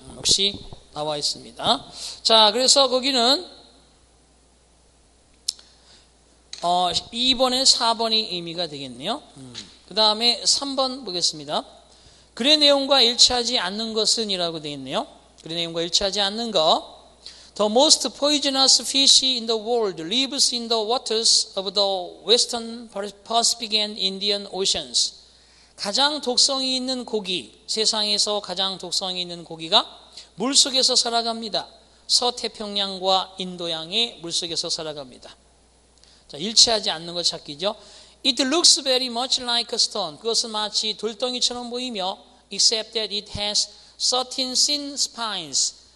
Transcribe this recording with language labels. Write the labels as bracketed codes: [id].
[ko] 역시 나와 있습니다. 자, 그래서 거기는 2번에 4번이 의미가 되겠네요. 그 다음에 3번 보겠습니다. 글의 내용과 일치하지 않는 것은 이라고 되겠네요. 글의 내용과 일치하지 않는 거. [en] The most poisonous fish in the world lives in the waters of the Western Pacific and Indian Oceans. [ko] 가장 독성이 있는 고기, 세상에서 가장 독성이 있는 고기가 물속에서 살아갑니다. 서태평양과 인도양의 물속에서 살아갑니다. 자, 일치하지 않는 것 찾기죠. [en] It looks very much like a stone. [ko] 그것은 마치 돌덩이처럼 보이며, [en] except that it has 13 thin spines.